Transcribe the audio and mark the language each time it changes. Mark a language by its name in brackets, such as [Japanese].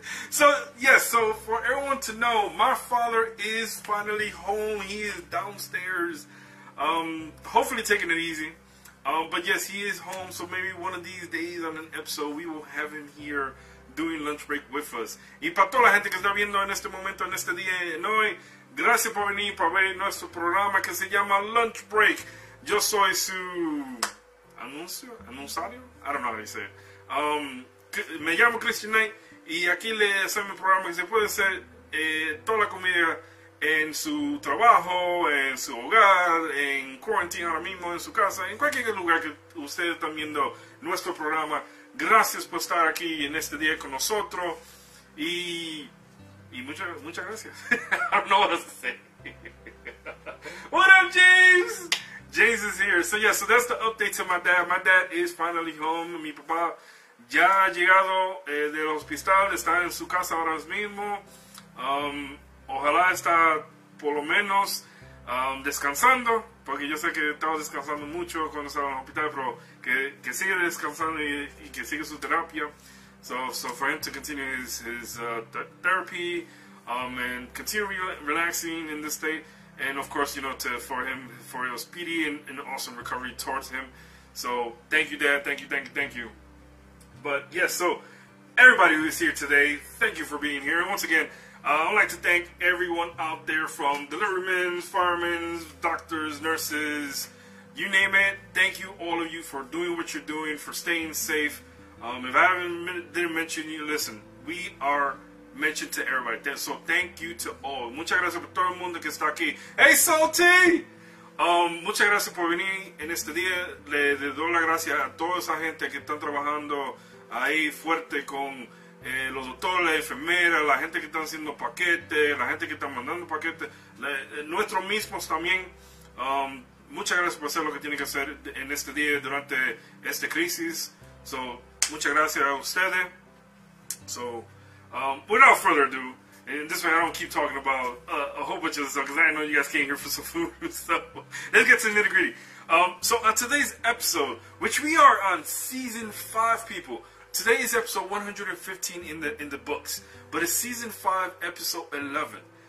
[English] So, for everyone to know, my father is finally home. He is downstairs. Hopefully taking it easy. But yes, he is home. So maybe one of these days on an episode, we will have him here doing lunch break with us. [Spanish] Y para toda la gente que está viendo en este momento, en este día, en hoy, gracias por venir para ver nuestro programa que se llama Lunch Break. Yo soy su anuncio, anunciario, [English] I don't know how you say it. [Spanish] Me llamo Christian Knight y aquí le hacemos mi programa que se puede hacer toda la comida en su trabajo, en su hogar, en quarantine ahora mismo, en su casa, en cualquier lugar que ustedes están viendo nuestro programa. Gracias por estar aquí en este día con nosotros y muchas gracias. [English] I don't know what else to say. What up, James? James is here. So, yeah, so that's the update to my dad. My dad is finally home. [Spanish] Mi papá ya ha llegado del hospital. Está en su casa ahora mismo. Ojalá está por lo menos descansando. Porque yo sé que estaba descansando mucho cuando estaba en el hospital. Pero que sigue descansando y que sigue su terapia. [English] So for him to continue his therapy and continue relaxing in this state, and of course, you know, for your speedy and awesome recovery towards him. So thank you, Dad. Thank you. But yes, yeah, so everybody who is here today, thank you for being here. And once again, I'd like to thank everyone out there from deliverymen, firemen, doctors, nurses, you name it. Thank you all of you for doing what you're doing, for staying safe. If I didn't mention you, listen, we are mentioned to everybody. So thank you to all. [Spanish] Muchas gracias por todo el mundo que está aquí. Hey, Salty! Muchas gracias por venir en este día. Le doy la gracia a toda esa gente que están trabajando ahí fuerte con los doctores, las enfermeras, la gente que están haciendo paquetes, la gente que están mandando paquetes, nuestros mismos también. Muchas gracias por hacer lo que tienen que hacer en este día durante esta crisis. So, muchas gracias a ustedes. [English] So, without further ado, and this way I don't keep talking about a whole bunch of stuff because I know you guys came here for some food. So, let's get to the nitty gritty. So, on today's episode, which we are on season 5, people, Today is episode 115 in the books, but it's season 5, episode 11.